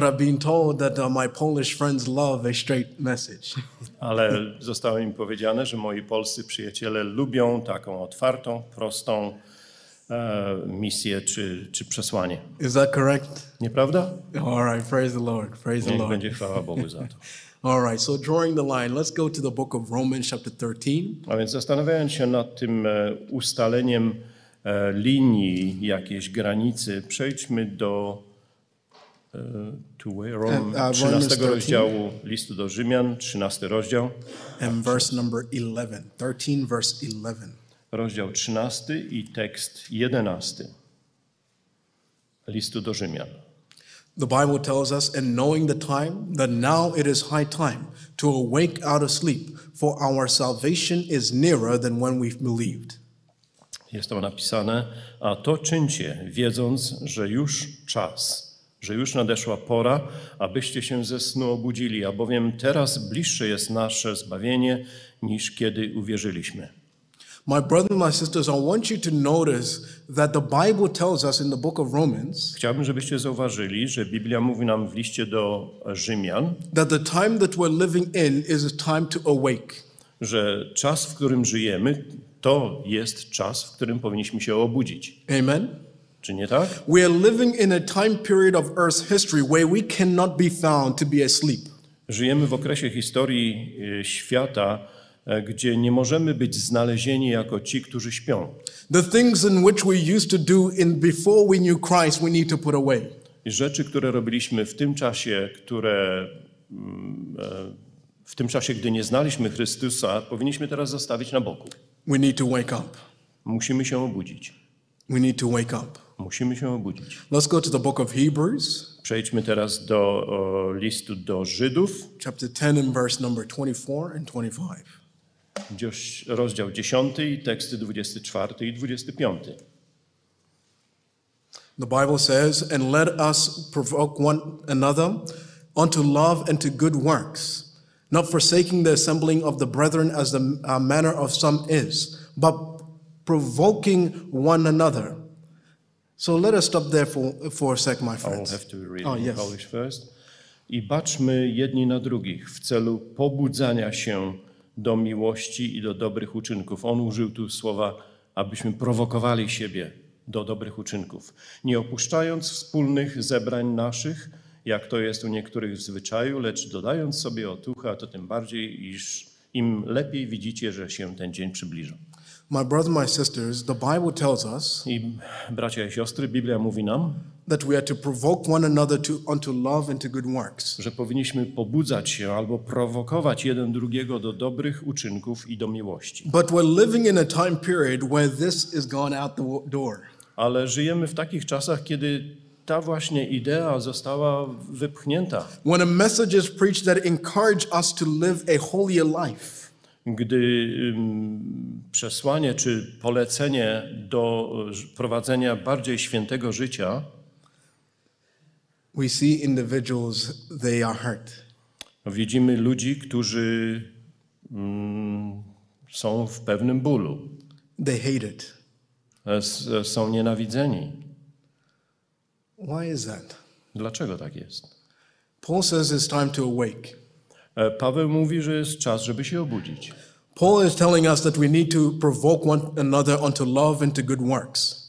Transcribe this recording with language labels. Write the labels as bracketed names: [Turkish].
[English] But I've been told that my Polish friends love a straight message. [Polish] Ale zostało mi powiedziane, że moi polscy przyjaciele lubią taką otwartą, prostą misję czy przesłanie. [English] Is that correct? [Polish] Nieprawda? [English] All right, praise the Lord. Praise the Lord. [Polish] Niech będzie chwała Bogu za to. [English] All right, so drawing the line, let's go to the book of Romans chapter 13. [Polish] A więc zastanawiając się nad tym ustaleniem linii jakiejś granicy, przejdźmy do 13 rozdziału listu do Rzymian, 13 rozdział. [English] And verse number 11. 13 verse 11. [Polish] Rozdział 13 i tekst 11 listu do Rzymian. [English] The Bible tells us, and knowing the time, that now it is high time to awake out of sleep, for our salvation is nearer than when we believed. [Polish] Jest to napisane, a to czyńcie, wiedząc, że już czas, że już nadeszła pora, abyście się ze snu obudzili, a bowiem teraz bliższe jest nasze zbawienie, niż kiedy uwierzyliśmy. [English] My brothers and my sisters, I want you to notice that the Bible tells us in the book of Romans. [Polish] Chciałbym, żebyście zauważyli, że Biblia mówi nam w liście do Rzymian. [English] That the time that we're living in is a time to awake. [Polish] Że czas, w którym żyjemy, to jest czas, w którym powinniśmy się obudzić. [English] Amen. [Polish] Czy nie tak? [English] We are living in a time period of Earth's history where we cannot be found to be asleep. [Polish] Żyjemy w okresie historii świata, gdzie nie możemy być znalezieni jako ci, którzy śpią. [English] The things in which we used to do in before we knew Christ, we need to put away. [Polish] Rzeczy, które robiliśmy w tym czasie, które w tym czasie, gdy nie znaliśmy Chrystusa, powinniśmy teraz zostawić na boku. [English] We need to wake up. [Polish] Musimy się obudzić. [English] We need to wake up. [Polish] Musimy się obudzić. [English] Let's go to the book of Hebrews. [Polish] Przejdźmy teraz do listu do Żydów. [English] Chapter 10 and verse number 24 and 25. [Polish] Rozdział 10 i teksty 24 i 25. [English] The Bible says, and let us provoke one another unto love and to good works, not forsaking the assembling of the brethren as the manner of some is, but provoking one another. So let us stop there for a sec, my friends. I'll have to read in Polish first. [Polish] I baczmy jedni na drugich w celu pobudzania się do miłości i do dobrych uczynków. On użył tu słowa, abyśmy prowokowali siebie do dobrych uczynków. Nie opuszczając wspólnych zebrań naszych, jak to jest u niektórych w zwyczaju, lecz dodając sobie otuchy, a to tym bardziej, iż im lepiej widzicie, że się ten dzień przybliża. [English] My brothers, my sisters, the Bible tells us. [Polish] I bracia i siostry, Biblia mówi nam, [English] that we are to provoke one another to unto love and to good works. [Polish] Że powinniśmy pobudzać się albo prowokować jeden drugiego do dobrych uczynków i do miłości. [English] But we're living in a time period where this is gone out the door. [Polish] Ale żyjemy w takich czasach, kiedy ta właśnie idea została wypchnięta. [English] When a message is preached that encourages us to live a holier life. [Polish] Gdy przesłanie czy polecenie do prowadzenia bardziej świętego życia, [English] we see individuals, they are hurt. [Polish] Widzimy ludzi, którzy są w pewnym bólu. [English] They hate it. [Polish] Są nienawidzeni. [English] Why is that? [Polish] Dlaczego tak jest? [English] Paul says it's time to awake. [Polish] Paweł mówi, że jest czas, żeby się obudzić. [English] Paul is telling us that we need to provoke one another unto love and to good works.